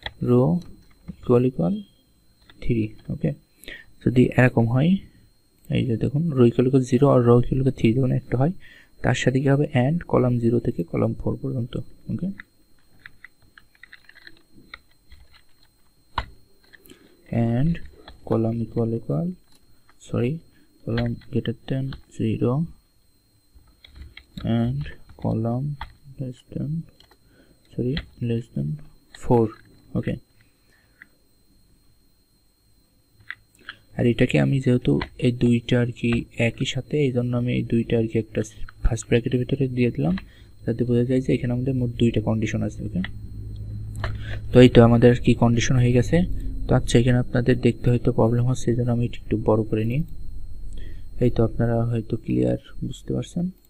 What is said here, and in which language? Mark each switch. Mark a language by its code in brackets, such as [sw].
[bn] Rho equal equal 3 ওকে যদি এরকম হয় এই যে দেখুন রো ইকুয়াল ইকুয়াল 0 আর রো ইকুয়াল ইকুয়াল 3 যখন একটা হয় তার সাথে কি হবে অ্যান্ড কলাম 0 থেকে কলাম 4 পর্যন্ত okay and column equal equal sorry [en] column greater than 0 and column less than, sorry, less than 4. Okay. [bn] আর এটাকে আমি যেহেতু এই দুইটা আর কি একই সাথে এইজন্য আমি এই দুইটা আর কি একটা ফার্স্ট ব্র্যাকেটের ভিতরে দিয়ে দিলাম যাতে বোঝা যায় যে এখানে আমাদের মোট দুইটা কন্ডিশন আছে ওকে তো এই তো আমাদের কি কন্ডিশন হয়ে গেছে তো আচ্ছা এখানে আপনাদের দেখতে হয়তো প্রবলেম হচ্ছে এজন্য আমি একটু বড় করে নিই এই তো আপনারা হয়তো ক্লিয়ার বুঝতে পারছেন